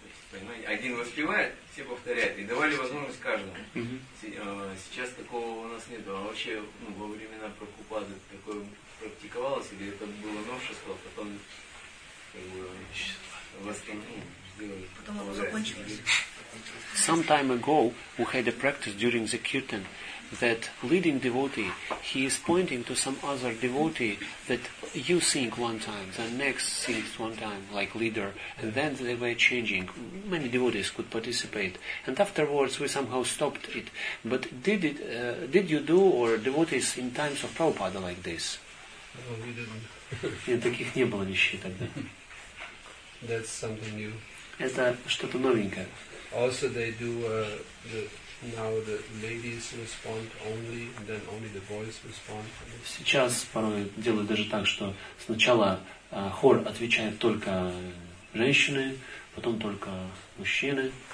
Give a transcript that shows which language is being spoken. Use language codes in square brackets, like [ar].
[ru] То есть, понимаете, один воспевает, все повторяют, и давали возможность каждому. Сейчас такого у нас нет. А вообще, ну, во времена Прабхупады такое практиковалось, или это было новшество, а потом как бы сделали. Потом закончилось. [en] Some time ago, we had a practice during the kirtan that leading devotee, he is pointing to some other devotee that you sing one time, the next sings one time, like leader, and then they were changing. Many devotees could participate. And afterwards, we somehow stopped it. But did you do, or devotees in times of Prabhupada like this? No, we didn't. [ru] Таких не было нищей тогда. [en] That's something new. [ru] Это что-то новенькое. [en] Also, they do now the ladies respond only, then only the boys respond. [ru] Сейчас порой делают даже так, что сначала хор отвечает только женщины, потом только мужчины.